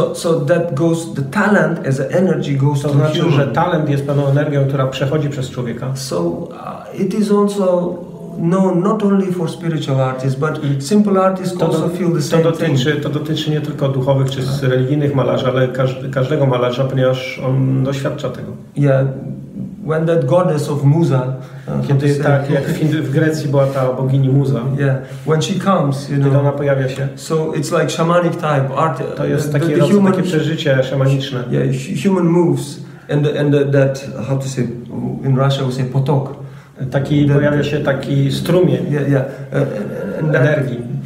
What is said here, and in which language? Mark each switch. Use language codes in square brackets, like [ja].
[en] So that goes, the talent as an energy goes [pl] to znaczy, [en] to human. [pl] Że talent jest pewną energią, która przechodzi przez człowieka. [en] So it is also known not only for spiritual artists, but simple artists to also feel the same thing. [pl] To dotyczy nie tylko duchowych czy religijnych malarzy, ale każdego malarza, ponieważ on doświadcza tego. [en] Yeah, when that goddess of Musa, [pl] kiedy tak jak w Grecji była ta bogini Muza. [en] Yeah, when she comes, you know, [pl] kiedy ona pojawia się. [en] So it's like shamanic type art. [pl] To jest takie przeżycie szamaniczne. [en] Yeah, human moves and that how to say in Russia we say potok. [pl] Taki pojawia się taki strumień energii.